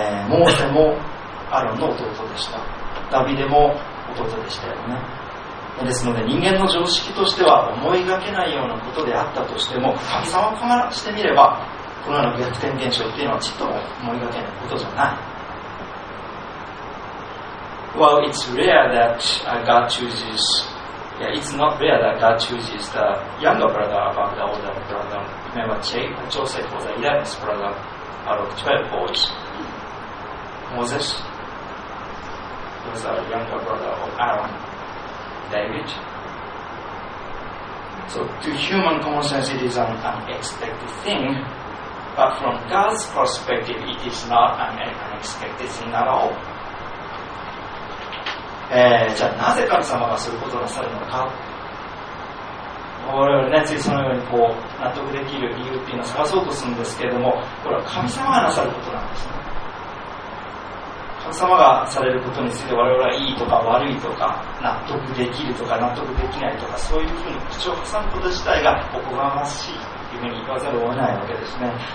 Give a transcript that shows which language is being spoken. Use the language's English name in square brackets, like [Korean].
[Japanese] モーセもアロンの弟でした。ダビデも弟でしたよね。ですので人間の常識としては思いがけないようなことであったとしても、神様からしてみればこのような逆転現象っていうのはちっとも思いがけないことじゃない。 [English] Well, it's rare that God chooses, yeah, it's not rare that God chooses the younger brother above the older brother. Remember, Joseph was the 11th brother out of 12 boys. Moses was the younger brother of Aaron, David. So to human common sense, it is an unexpected thing. But from God's perspective, it is not an unexpected thing at all. [Japanese] じゃあなぜ神様がすることをなさるのか、我々は、ね、ついそのようにこう納得できる理由っていうのを探そうとするんですけれども、これは神様がなさることなんですね。神様がされることについて我々はいいとか悪いとか納得できるとか納得できないとか、そういうふうに口を挟むこと自体がおこがましいというふうに言わざるを得ないわけですね。